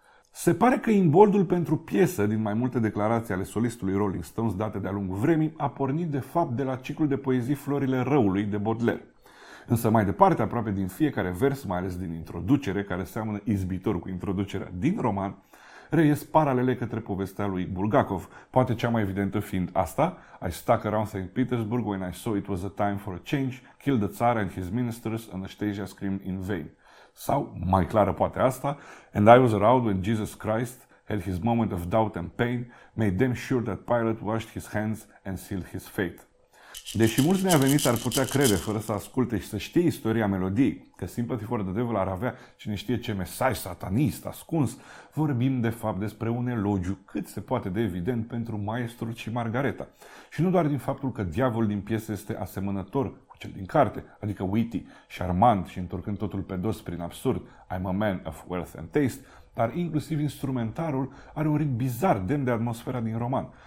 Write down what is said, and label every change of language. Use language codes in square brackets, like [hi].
[ro] Se pare că imboldul pentru piesă, din mai multe declarații ale solistului Rolling Stones date de-a lungul vremii, a pornit de fapt de la ciclul de poezii Florile Răului de Baudelaire. Însă mai departe, aproape din fiecare vers, mai ales din introducere, care seamănă izbitor cu introducerea din roman, reiesc paralele către povestea lui Bulgakov, poate cea mai evidentă fiind asta: [en] I stuck around St. Petersburg when I saw it was a time for a change, killed the Tsar and his ministers, Anastasia screamed in vain. [ro] Sau, mai clară poate asta: [en] and I was around when Jesus Christ had his moment of doubt and pain, made them sure that Pilate washed his hands and sealed his fate. [ro] Deși mulți neaveniți ar putea crede, fără să asculte și să știe istoria melodiei, că Sympathy for the Devil ar avea cine știe ce mesaj satanist ascuns, vorbim de fapt despre un elogiu cât se poate de evident pentru maestrul și Margareta. Și nu doar din faptul că diavolul din piesă este asemănător cu cel din carte, adică witty, șarmant și întorcând totul pe dos prin absurd, [en] I'm a man of wealth and taste, [ro] dar inclusiv instrumentarul are un ritm bizar, demn de atmosfera din roman.